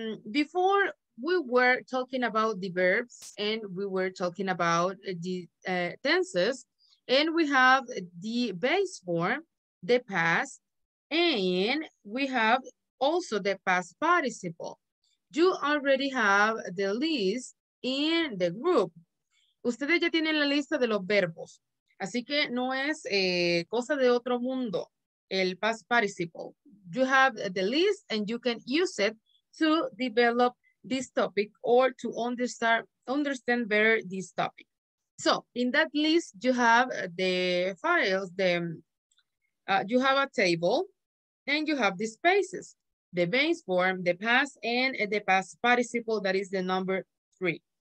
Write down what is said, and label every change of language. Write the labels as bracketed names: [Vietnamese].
[English] Before we were talking about the verbs and we were talking about the tenses, and we have the base form, the past, and we have also the past participle. You already have the list in the group. [Spanish] Ustedes ya tienen la lista de los verbos. Así que no es cosa de otro mundo, el past participle. [English] You have the list and you can use it to develop this topic or to understand better this topic. So in that list, you have the files, you have a table and you have the spaces, the base form, the past and the past participle, that is the number 3.